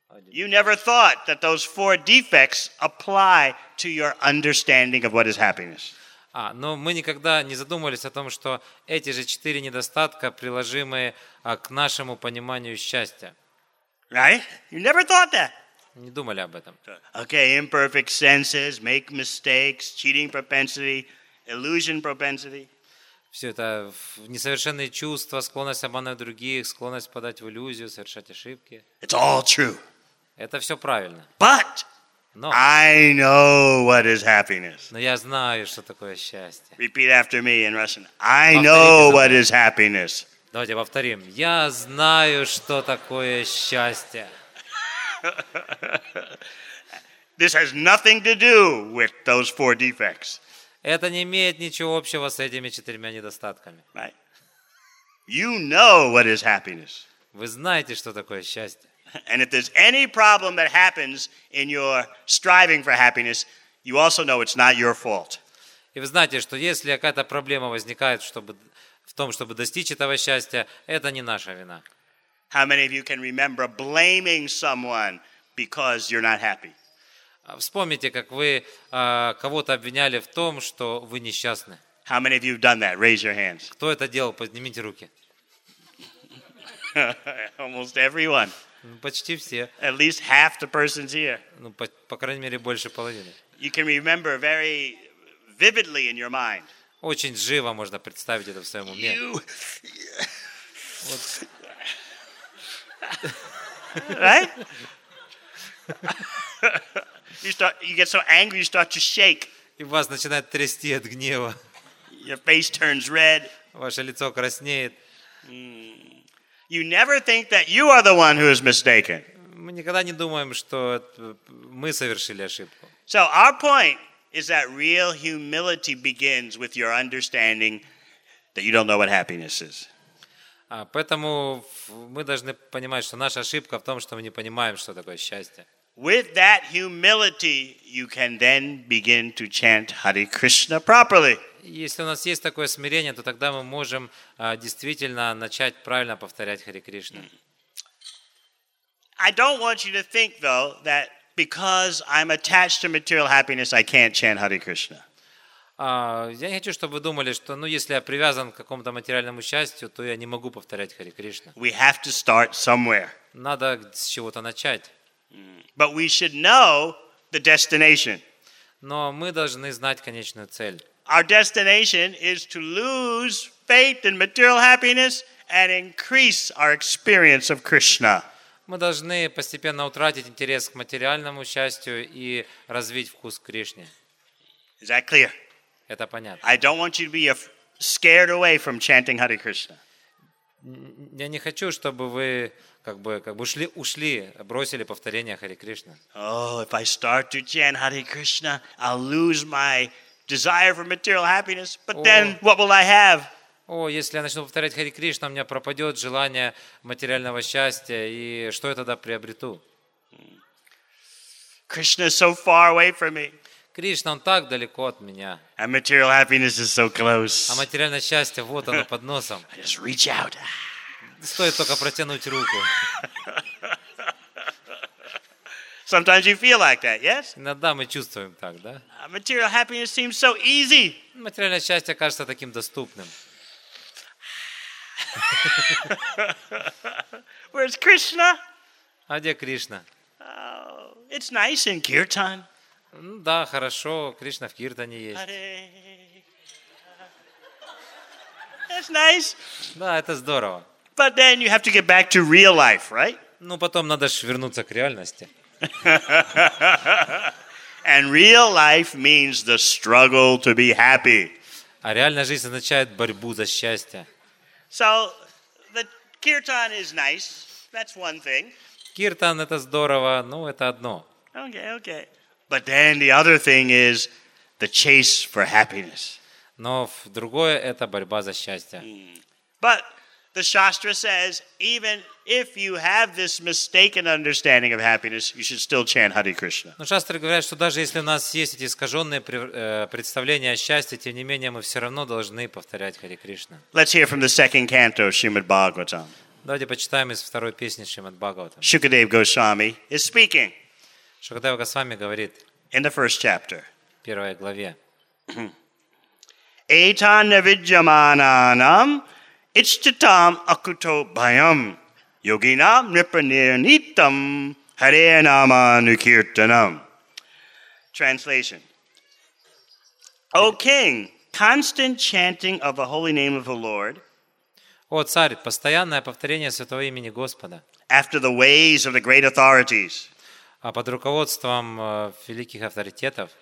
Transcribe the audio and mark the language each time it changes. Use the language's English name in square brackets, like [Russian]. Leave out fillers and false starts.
[English] You never thought that those four defects apply to your understanding of what is happiness. [Russian] Но мы никогда не задумывались о том, что эти же четыре недостатка приложимы к нашему пониманию счастья. [English] Right? You never thought that. [Russian] Не думали об этом. [English] Okay, imperfect senses, make mistakes, cheating propensity, illusion propensity. [Russian] Все это несовершенные чувства, склонность обманывать других, склонность подать в иллюзию, совершать ошибки. [English] It's all true. [Russian] Это все правильно. [English] But [Russian] Но. [English] I know what is happiness. [Russian] Но я знаю, что такое счастье. [English] Repeat after me in [Russian] Russian. [English] I know what is happiness. [Russian] Давайте повторим. Я знаю, что такое счастье. [English] This has nothing to do with those four defects. [Russian] Это не имеет ничего общего с этими четырьмя недостатками. [English] Right. You know what is happiness. [Russian] Вы знаете, что такое счастье. [English] And if there's any problem that happens in your striving for happiness, you also know it's not your fault. [Russian] И вы знаете, что если какая-то проблема возникает, чтобы в том, чтобы достичь этого счастья, это не наша вина. [English] How many of you can remember blaming someone because you're not happy? [Russian] Вспомните, как вы кого-то обвиняли в том, что вы несчастны. [English] How many of you have done that? Raise your hands. [Russian] Кто это делал? Поднимите руки. [English] Almost everyone. [Russian] Почти все. [English] At least half the person's here. [Russian] По крайней мере, больше половины. [English] You can remember very vividly in your mind. [Russian] Очень живо можно представить это в своем уме. [English] You... [Russian] Вот. [English] Right? You get so angry, you start to shake. [Russian] И вас начинает трясти от гнева. [English] Your face turns red. [Russian] Ваше лицо краснеет. [English] You never think that you are the one who is mistaken. [Russian] Мы никогда не думаем, что мы совершили ошибку. [English] So our point is that real humility begins with your understanding that you don't know what happiness is. [Russian] Поэтому мы должны понимать, что наша ошибка в том, что мы не понимаем, что такое счастье. [English] With that humility, you can then begin to chant Hare Krishna properly. [Russian] Если у нас есть такое смирение, то тогда мы можем действительно начать правильно повторять Харе Кришну. [English] I don't want you to think, though, that because I'm attached to material happiness, I can't chant Hare Krishna. [Russian] Я не хочу, чтобы вы думали, что, ну, если я привязан к какому-то материальному счастью, то я не могу повторять Харе Кришна. [English] We have to start somewhere. [Russian] Надо с чего-то начать. [English] But we should know the destination. [Russian] Но мы должны знать конечную цель. [English] Our destination is to lose faith and material happiness and increase our experience of Krishna. [Russian] Мы должны постепенно утратить интерес к материальному счастью и развить вкус к Кришне. [English] Is that clear? [Russian] Это понятно. [English] I don't want you to be scared away from chanting Hare Krishna. [Russian] Я не хочу, чтобы вы как бы ушли, бросили повторение Харе Кришна. [English] Oh, if I start to chant Hare Krishna, I'll lose my desire for material happiness, but then what will I have? [Russian] Если я начну повторять Харе Кришна, у меня пропадет желание материального счастья, и что я тогда приобрету? [English] Krishna is so far away from me. [Russian] Кришна, он так далеко от меня. [English] And material happiness is so close. [Russian] А материальное счастье, вот оно, под носом. [English] I just reach out. [Russian] Стоит только протянуть руку. [English] Sometimes you feel like that, yes? [Russian] Иногда мы чувствуем так, да? [English] Material happiness seems so easy. [Russian] Материальное счастье кажется таким доступным. [English] Where's Krishna? [Russian] А где Кришна? [English] Oh, it's nice in Kirtan. [Russian] Ну да, хорошо, Кришна в Киртане есть. [English] That's nice. [Russian] Да, это здорово. [English] But then you have to get back to real life, right? [Russian] Ну потом надо же вернуться к реальности. [English] And real life means the struggle to be happy. [Russian] А реальная жизнь означает борьбу за счастье. [English] So the Kirtan is nice. That's one thing. [Russian] Киртан это здорово, ну это одно. [English] Okay, okay. But then the other thing is the chase for happiness. [Russian] Но другое это борьба за счастье. [English] But the Shastra says even if you have this mistaken understanding of happiness, you should still chant Hare Krishna. [Russian] Но Шастры говорят, что даже если у нас есть эти искажённые представления о счастье, тем не менее мы всё равно должны повторять Хари Кришна. [English] Let's hear from the second canto of Srimad Bhagavatam. [Russian] Давайте почитаем из второй песни Шримад Бхагаватам. [English] Shukadev Goswami is speaking. [Russian] Шукадева Госвами говорит. [English] In the first chapter. [Russian] Первая главе. [Sanskrit] Этана виджаманам ичтитам акуто байам йогинам нипранитам харенаманукиртанам. [English] Translation. O king, constant chanting of the holy name of the Lord. [Russian] О царь, постоянное повторение святого имени Господа. [English] After the ways of the great authorities. [Russian] А под руководством великих авторитетов